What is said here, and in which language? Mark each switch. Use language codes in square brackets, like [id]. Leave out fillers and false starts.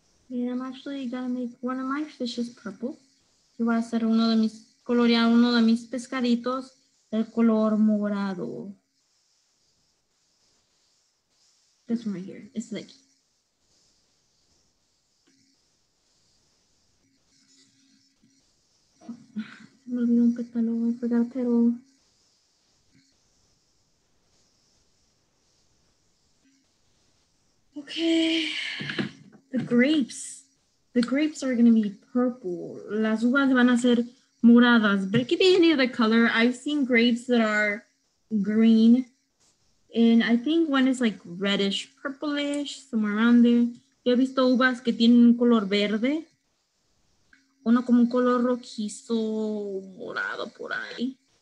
[en] And I'm actually gonna make one of my fishes purple. [es] Y voy a hacer uno de mis, colorear uno de mis pescaditos el color morado. [en] This one right here, it's like. [es] Se me olvidó un pétalo, [en] I forgot a petal. Okay, the grapes are gonna be purple. [es] Las uvas van a ser moradas, [en] but it could be any other color. I've seen grapes that are green, and I think one is like reddish, purplish, somewhere around there. [es] Yo he visto uvas que tienen un color verde, uno como un color rojizo, morado por ahí.